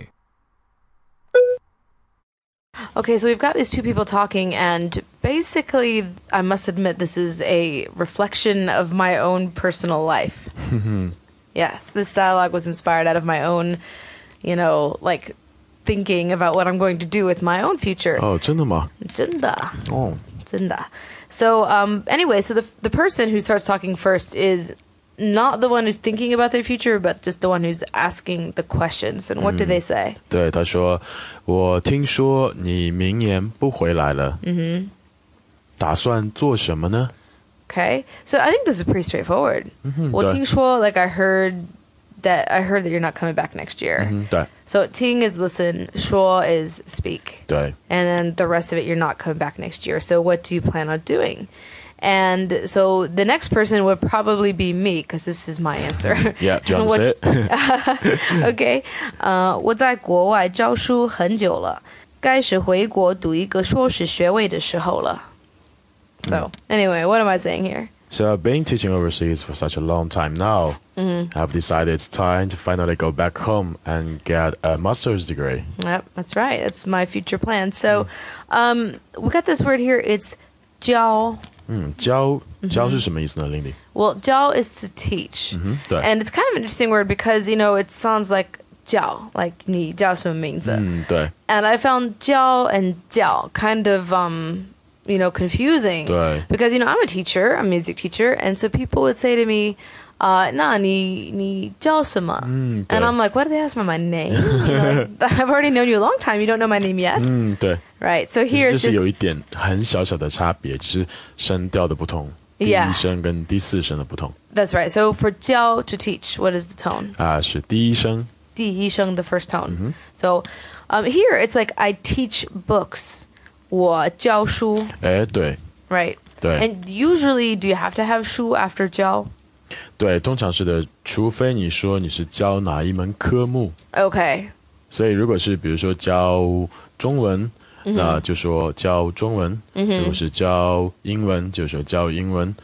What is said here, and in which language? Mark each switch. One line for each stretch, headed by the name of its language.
Chinese: 一天到晚盯着电脑屏幕上课，不够互动，而且那样的话，我会需要更多自我激励，让我每天抽时间去学习。那祝你好运，明年就看不到你了，我会想你的。谢谢，哎，我会回来的，不过你得等我拿到学位。Okay,
English: so we've got these two people talking, and basically, I must admit, this is a reflection of my own personal life. Yes, this dialogue was inspired out of my own, you know, like, thinking about what I'm going to do with my own future.
Chinese: Oh, 真的吗? 真的. Oh. 真的.
English: So, anyway, so the person who starts talking first is not the one who's thinking about their future, but just the one who's asking the questions. And what do they say?
Chinese: 对,他说,我听说你明年不回来了。 Mm-hmm. 打算做什么呢?
English: Okay, so I think this is pretty straightforward. Mm-hmm,
Chinese: 我听说,
English: like I heard that you're not coming back next year. Mm-hmm, so 听 is listen, 说 is speak.
Chinese: 对.
English: And then the rest of it, you're not coming back next year. So what do you plan on doing? And so the next person would probably be me, because this is my answer. Yeah, do you want to say it? Okay.
Chinese: 我在国外教书很久了，该是回国读一个硕士学位的时候了。
English: So, anyway, what am I saying here? So, I've been teaching overseas for such a long time now. Mm-hmm. I've decided it's time to finally go back home and get a master's degree. Yep, that's right. That's my future plan. So, we got this word here. It's 教.
Chinese: 教是什么意思呢, Lindy?
English: Well, 教 is to teach. Mm-hmm, and it's kind of an interesting word because, you know, it sounds like 教, like
Chinese: 你教什么名字.
English: And I found 教 and 教 kind of... you know, confusing. Because, you know, I'm a teacher, I'm a music teacher, and so people would say to me,
Chinese: "那你叫什么?"
English: And I'm like, why do they ask me my name? You know, like, I've already known you a long time, you don't know my name yet. Right, so here it's
Chinese: just有一点很小小的差别，就是声调的不同。
English: Yeah. That's right, so for 教 to teach, what is the tone?
Chinese: 是第一声。第一声,
English: the first tone. Mm-hmm. So here it's like, I teach books.
Chinese: 我教书. 诶,对.
English: Right.
Chinese: 对.
English: And usually, do you have to have 书 after 教?
Chinese: 对,通常是的, 除非你说你是教哪一门科目。
English: Okay.
Chinese: 所以如果是比如说教中文, 那就说教中文, 如果是教英文, 就说教英文。